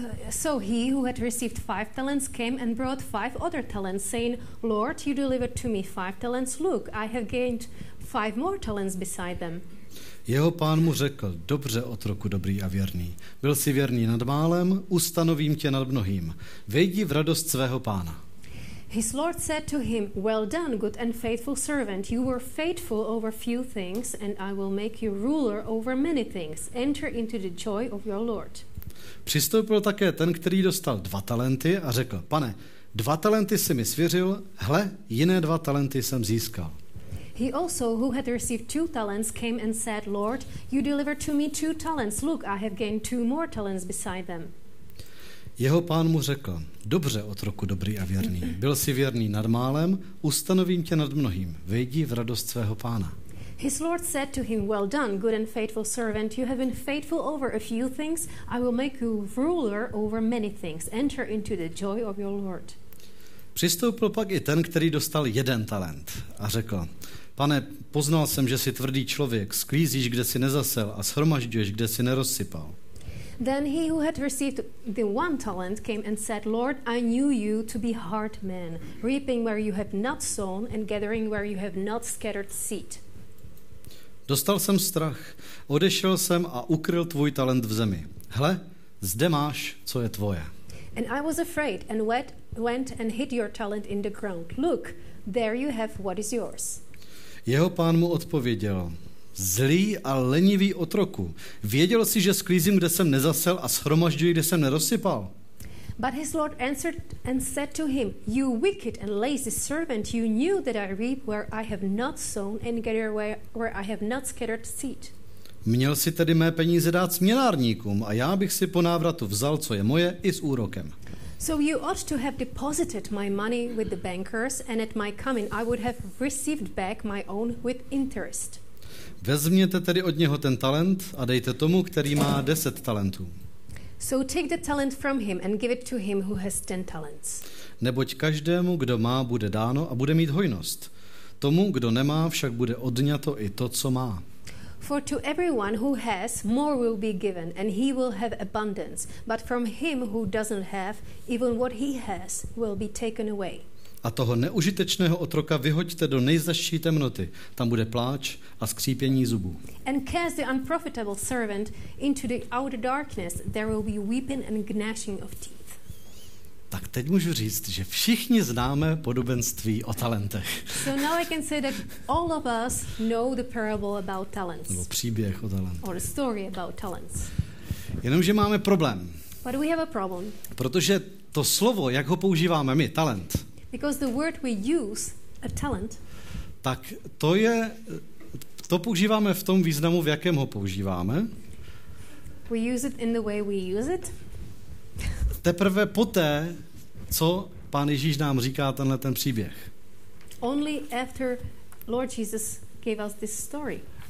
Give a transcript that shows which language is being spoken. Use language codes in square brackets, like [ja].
[en] So he who had received 5 talents came and brought 5 other talents, saying, Lord, you delivered to me 5 talents, look, I have gained 5 more talents beside them. [cs] Jeho pán mu řekl, dobře, otroku dobrý a věrný, byl jsi věrný nad málem, ustanovím tě nad mnohým, vejdi v radost svého pána. [en] His lord said to him, well done, good and faithful servant. You were faithful over few things, and I will make you ruler over many things. Enter into the joy of your lord. [cs] Přistoupil také ten, který dostal 2 talenty a řekl, pane, 2 talenty jsi mi svěřil, hle, jiné 2 talenty jsem získal. [en] He also, who had received 2 talents, came and said, lord, you delivered to me 2 talents. Look, I have gained 2 more talents beside them. [cs] Jeho pán mu řekl, dobře, otroku dobrý a věrný, byl jsi věrný nad málem, ustanovím tě nad mnohým, vejdi v radost svého pána. [en] His lord said to him, well done, good and faithful servant, you have been faithful over a few things, I will make you ruler over many things, enter into the joy of your lord. [cs] Přistoupil pak i ten, který dostal jeden talent a řekl, pane, poznal jsem, že jsi tvrdý člověk, sklízíš, kde jsi nezasel a shromažďuješ, kde jsi nerozsypal. [en] Then he who had received the one talent came and said, Lord, I knew you to be hard man, reaping where you have not sown and gathering where you have not scattered seed. [cs] Dostal jsem strach, odešel jsem a ukryl tvůj talent v zemi. Hle, zde máš, co je tvoje. [en] And I was afraid and went and hid your talent in the ground. Look, there you have what is yours. [cs] Jeho pán mu odpověděl, zlý a lenivý otroku, věděl jsi, že sklízím, kde jsem nezasel a shromažďuji, kde jsem nerozsypal? [en] But his lord answered and said to him, you wicked and lazy servant, you knew that I reap where I have not sown and gather where I have not scattered seed. [cs] Měl jsi tedy mé peníze dát směnárníkům a já bych si po návratu vzal, co je moje, i s úrokem. [en] So you ought to have deposited my money with the bankers and at my coming I would have received back my own with interest. [cs] Vezměte tedy od něho ten talent a dejte tomu, který má 10 talentů. [en] So take the talent from him and give it to him who has 10 talents. [cs] Neboť každému, kdo má, bude dáno a bude mít hojnost. Tomu, kdo nemá, však bude odňato i to, co má. [en] For to everyone who has, more will be given and he will have abundance. But from him who doesn't have, even what he has will be taken away. [cs] A toho neužitečného otroka vyhoďte do nejzazší temnoty. Tam bude pláč a skřípění zubů. [en] And cast the unprofitable servant into the outer darkness. There will be weeping and gnashing of teeth. [cs] Tak teď můžu říct, že všichni známe podobenství o talentech. [en] So now I can say that all of us know the parable about talents. [cs] Nebo příběh o talentech. [en] Or a story about talents. [cs] Jenomže máme problém. [en] But we have a problem. [cs] Protože to slovo, jak ho používáme my, talent, [en] because the word we use, a talent, [cs] tak to používáme v tom významu, v jakém ho používáme. [en] We use it in the way we use it. [cs] Teprve poté, co pán Ježíš nám říká tenhle ten příběh. [en] Only after Lord Jesus gave us this story.